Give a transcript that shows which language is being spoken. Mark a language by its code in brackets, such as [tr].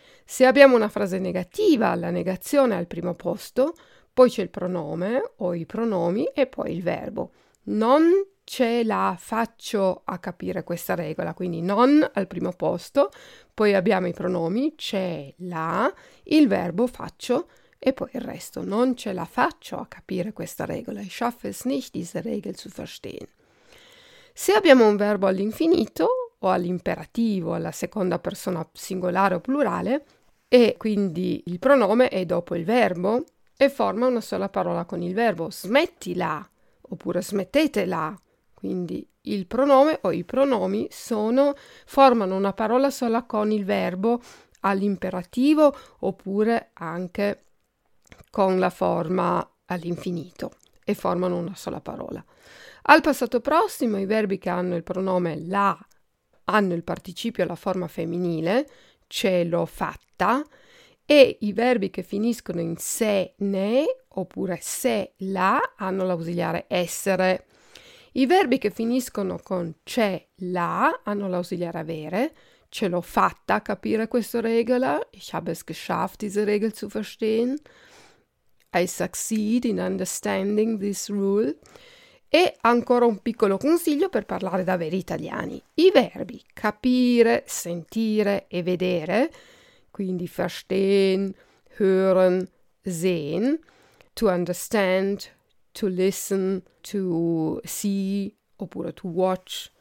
[it] Se abbiamo una frase negativa, la negazione è al primo posto, poi c'è il pronome o i pronomi e poi il verbo. Non ce la faccio a capire questa regola, quindi non al primo posto, poi abbiamo i pronomi, ce la, il verbo faccio e poi il resto. Non ce la faccio a capire questa regola. [de] Ich schaffe es nicht, diese Regel zu verstehen. [it] Se abbiamo un verbo all'infinito o all'imperativo, alla seconda persona singolare o plurale, e quindi il pronome è dopo il verbo e forma una sola parola con il verbo, smettila oppure smettetela. Quindi il pronome o i pronomi sono, formano una parola sola con il verbo all'imperativo oppure anche con la forma all'infinito e formano una sola parola. Al passato prossimo i verbi che hanno il pronome la hanno il participio alla forma femminile, ce l'ho fatta, e i verbi che finiscono in se ne oppure se la hanno l'ausiliare essere. I verbi che finiscono con ce la hanno l'ausiliare avere. Ce l'ho fatta a capire questa regola. [de] Ich habe es geschafft, diese Regel zu verstehen. [en] I succeed in understanding this rule. [it] E ancora un piccolo consiglio per parlare da veri italiani. I verbi capire, sentire e vedere, quindi [de] verstehen, hören, sehen, [en] to understand, to listen, to see, [it] oppure [en] to watch.